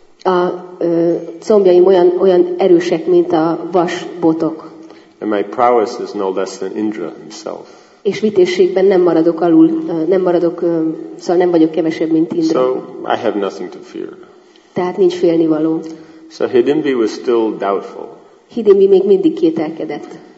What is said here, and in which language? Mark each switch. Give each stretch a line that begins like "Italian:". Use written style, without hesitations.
Hungarian: A combjaim olyan erősek, mint a vas botok.
English: And my prowess is no less than Indra himself.
Hungarian: És vitézségben nem maradok alul, nem maradok, szóval nem vagyok kevesebb, mint Indra.
English: So I have nothing to fear.
Hungarian: Tehát nincs félnivaló.
English: So Hidimbi was still doubtful.
Hungarian: Hidimbi még mindig kételkedett.